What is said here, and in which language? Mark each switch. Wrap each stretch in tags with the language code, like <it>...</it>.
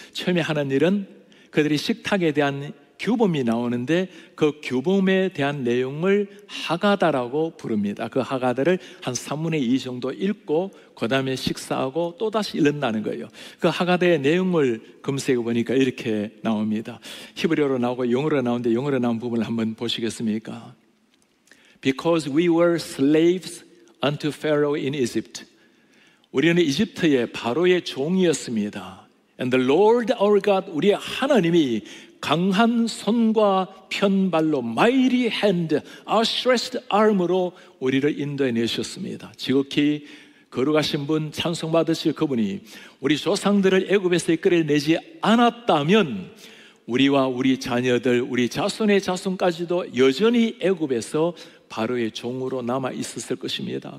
<ko>처음에 하는 일은 그들이 식탁에 대한 규범이 나오는데 그 규범에 대한 내용을 하가다라고 부릅니다. 그 하가다를 한 3분의 2 정도 읽고 그 다음에 식사하고 또다시 읽는다는 거예요. 그 하가다의 내용을 검색해 보니까 이렇게 나옵니다. 히브리어로 나오고 영어로 나오는데 영어로 나온 부분을 한번 보시겠습니까?</ko> <en>Because we were slaves unto Pharaoh in Egypt.</en> <ko>우리는 이집트의 바로의 종이었습니다.</ko> <en>And the Lord our God,</en> <ko>우리의 하나님이 강한 손과 편발로</ko> <en>mighty hand, outstretched arm</en> <ko>으로 우리를 인도해 내셨습니다. 지극히 거룩하신 분, 찬송받으실 그분이 우리 조상들을 애굽에서 이끌어내지 않았다면 우리와 우리 자녀들, 우리 자손의 자손까지도 여전히 애굽에서 바로의 종으로 남아 있었을 것입니다.</ko>